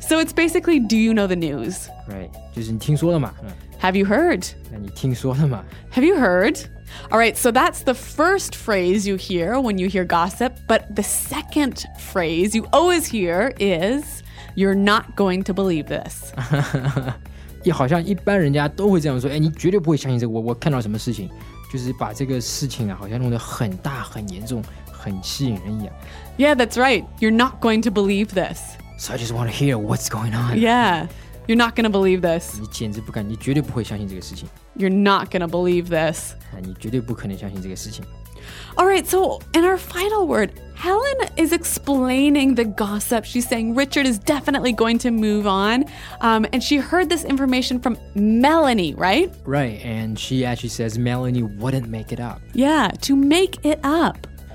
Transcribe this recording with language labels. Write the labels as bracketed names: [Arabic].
[English] So it's basically, do you know the news? [Chinese] Right. 就是你听说了吗、嗯、 [English] Have you heard? [Chinese] 那你听说了吗 [English] Have you heard? All right, so that's the first phrase you hear when you hear gossip. But the second phrase you always hear is, you're not going to believe this. [Chinese] 也好像一般人家都会这样说、哎、你绝对不会相信这个 我看到什么事情。就是把这个事情、啊、好像弄得很大很严重很吸引人一样。 [English] Yeah, that's right. You're not going to believe this. So I just want to hear what's going on. Yeah, you're not going to believe this. [Chinese] 你简直不敢，你绝对不会相信这个事情。 [English] You're not going to believe this. [Chinese] 你绝对不可能相信这个事情。 [English] All right, so in our final word, Helen is explaining the gossip. She's saying Richard is definitely going to move on. And she heard this information from Melanie, right? Right, and she actually says Melanie wouldn't make it up. Yeah, to make it up.